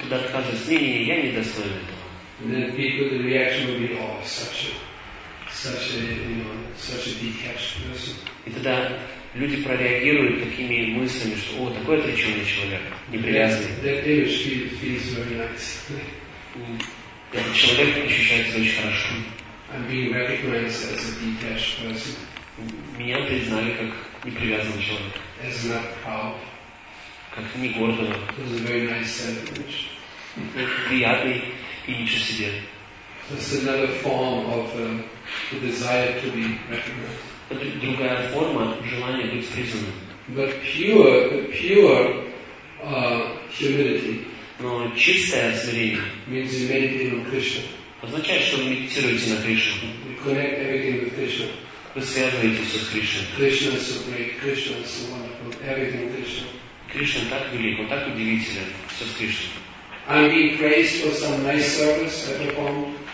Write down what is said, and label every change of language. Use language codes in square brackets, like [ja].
[ru] Тогда скажет, не, я не достоин этого. [en] And then people, the reaction will be, oh, such a. Such a, such a detached person. [ru] И тогда люди прореагируют такими мыслями, что о, такой отреченный человек, непривязанный. Этот человек ощущается очень хорошо. [en] I'm being recognized as a detached person. [ru] Меня признали как непривязанный человек. [en] As not proud. [ru] Как не гордого. [en] It's a very nice sentence. [ru] Приятный имидж о себе. [en] That's another form of the desire to be recognized. [ru] Это другая форма желания быть признанным. [en] But pure humility. [ru] Но чистое смирение. [en] Means you meditate on Krishna. [ru] Означает, что вы медитируете на Кришну. [en] You connect everything with Krishna. [ru] Вы связываетесь с Кришной. [en] Krishna is so great. Krishna is so wonderful. Everything Krishna. [ru] Кришна так велик, он так удивителен. Все с Кришной. [en] I'm being praised for some nice service I performed.